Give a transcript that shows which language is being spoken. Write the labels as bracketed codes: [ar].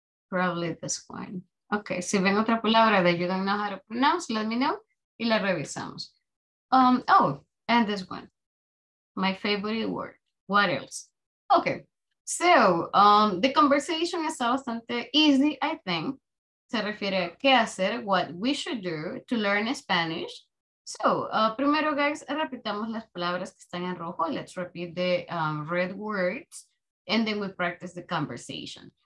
[en] Probably this one. Okay, [es] si ven otra palabra [en] that you don't know how to pronounce, let me know [es] y la revisamos. [en] And this one, my favorite word. What else? Okay, so the conversation is bastante easy, I think. [es] Se refiere a qué hacer, [en] what we should do to learn Spanish. [es] So, primero, guys, repitamos las palabras que están en rojo. [en] Let's repeat the red words, and then we practice the conversation.